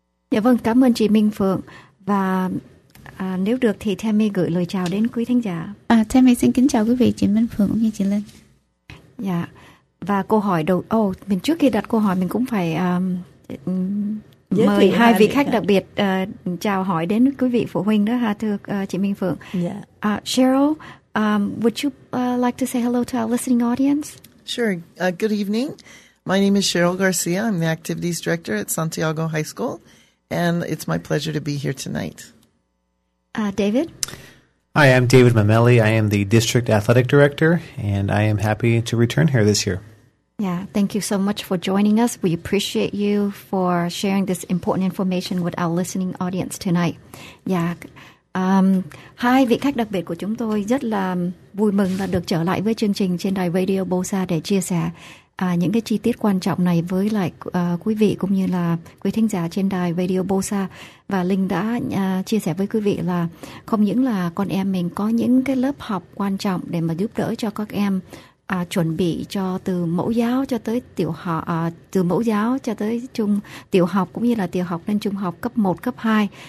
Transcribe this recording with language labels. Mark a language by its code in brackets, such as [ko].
[vi] Dạ vâng, cảm ơn chị Minh Phượng. Và nếu được thì Tammy gửi lời chào đến quý thính giả. Tammy xin kính chào quý vị, chị Minh Phượng cũng như chị Linh. Dạ, và câu hỏi đầu... mình trước khi đặt câu hỏi mình cũng phải... mời hai vị khách đặc biệt chào hỏi đến quý vị phụ huynh đó ha, thưa chị Minh Phượng. [en] Yeah. Cheryl, would you like to say hello to our listening audience? Sure. Good evening. My name is Cheryl Garcia. I'm the activities director at Santiago High School, and it's my pleasure to be here tonight. David? Hi, I'm David Mamelli. I am the district athletic director, and I am happy to return here this year. Yeah, thank you so much for joining us. We appreciate you for sharing this important information with our listening audience tonight. [vi] Yeah, hai vị khách đặc biệt của chúng tôi rất là vui mừng là được trở lại với chương trình trên đài Radio Bosa để chia sẻ những cái chi tiết quan trọng này với lại quý vị cũng như là quý thính giả trên đài Radio Bosa. Và Linh đã chia sẻ với quý vị là không những là con em mình có những cái lớp học quan trọng để mà giúp đỡ cho các em chuẩn bị cho từ mẫu giáo cho tới tiểu học, từ mẫu giáo cho tới trung tiểu học cũng như là tiểu học lên trung học cấp 1, cấp 2.